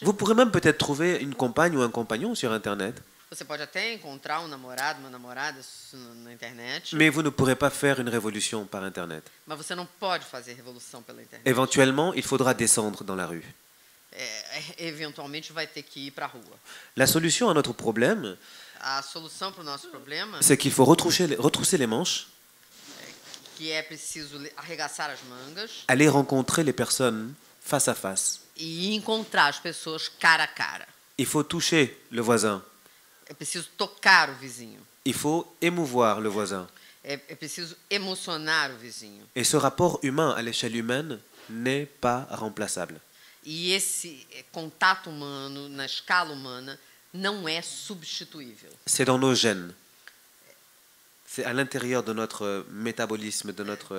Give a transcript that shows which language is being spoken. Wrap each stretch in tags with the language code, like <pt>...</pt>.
<fr>Vous pourrez même peut-être trouver une compagne ou un compagnon sur internet.</fr> <pt>Você pode até encontrar um namorado, uma namorada na internet.</pt> <fr>Mais vous ne pourrez pas faire une révolution par internet.</fr> <pt>Mas você não pode fazer revolução pela internet.</pt> <fr>Éventuellement, il faudra descendre dans la rue.</fr> <pt>Eventualmente vai ter que ir para a rua.</pt> <fr>La solution à notre problème.</fr> <pt>A solução para o nosso problema.</pt> <fr>C'est qu'il faut retrousser les manches.</fr> <pt>Que é preciso arregaçar as mangas.</pt> <fr>Aller rencontrer les personnes face à face.</fr> <pt>E encontrar as pessoas cara a cara.</pt> <fr>Il faut toucher le voisin.</fr> <pt>É preciso tocar o vizinho.</pt> <fr>Il faut émouvoir le voisin.</fr> <pt>É preciso emocionar o vizinho.</pt> <fr>Et ce rapport humain à l'échelle humaine n'est pas remplaçable.</fr> <pt>E esse contato humano na escala humana não é substituível.</pt> <fr>C'est dans nos gènes. C'est à l'intérieur de notre métabolisme, de notre.</fr>